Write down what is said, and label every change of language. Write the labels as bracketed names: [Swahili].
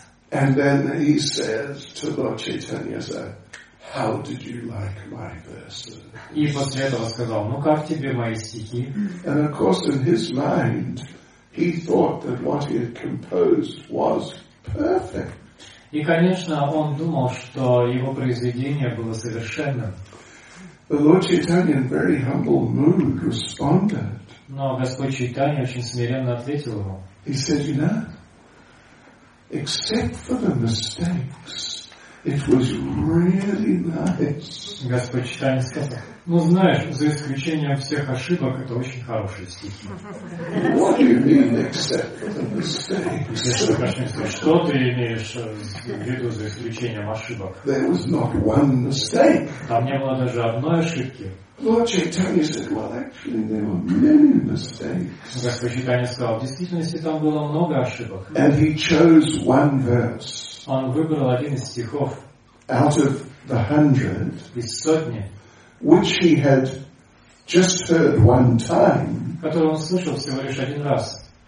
[English] And then he says to Lord Chaitanya, sir, how did you like my verses? And of course in his mind, he thought that what he had composed was perfect. [Russian] И, конечно, он думал, что его произведение было совершенным. [English] The Lord Chaitanya in very humble mood responded. [Russian] Но Господь Чайтанья очень смиренно ответил ему. [English] He said, you know, except for the mistakes, it was really nice. [Russian] Господь Чайтанья сказал, ну знаешь, за исключением всех ошибок, это очень хорошие стихи. [English] What do you mean, except for the mistakes? [Russian] Что ты имеешь в виду за исключением ошибок? [English] There was not one mistake. [Russian] Там не было даже одной ошибки. [English] Lord Chaitanya said, well, actually, there were many mistakes. [Russian] Господь Чайтанья сказал, в действительности там было много ошибок. [English] And he chose one verse. [Russian] Он выбрал один из стихов. [English] Out of the hundred. [Russian] Из сотни. [English] Which he had just heard one time, [Russian] который он слышал всего лишь один раз,